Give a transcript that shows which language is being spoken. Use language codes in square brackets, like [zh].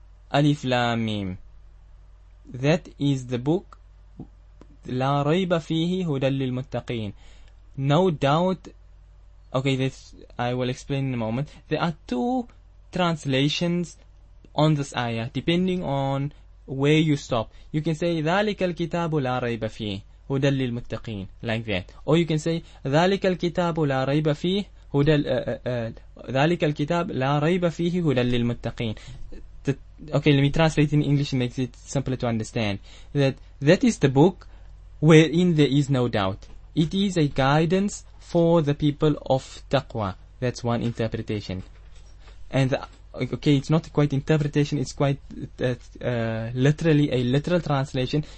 [ar] Alif Lam Mim. [en] That is the book, [ar] La Rayba Fihi Hudan Lil Muttaqin. [en] No doubt. Okay, this I will explain in a moment. There are two translations on this ayah, depending on where you stop. You can say, [ar] ذَلِكَ الْكِتَابُ لَا رَيْبَ فِيهِ هُدَى لِلْمُتَّقِينَ, [en] like that. Or you can say, [ar] ذَلِكَ الْكِتَابُ لَا رَيْبَ فِيهِ هُدَى ذَلِكَ الْكِتَابُ لَا رَيْبَ فِيهِ هُدَى لِلْمُتَّقِينَ. [en] Okay, let me translate in English, makes it simpler to understand. That is the book wherein there is no doubt. It is a guidance for the people of taqwa. That's one interpretation. And okay, it's not quite interpretation, it's quite literally a literal translation.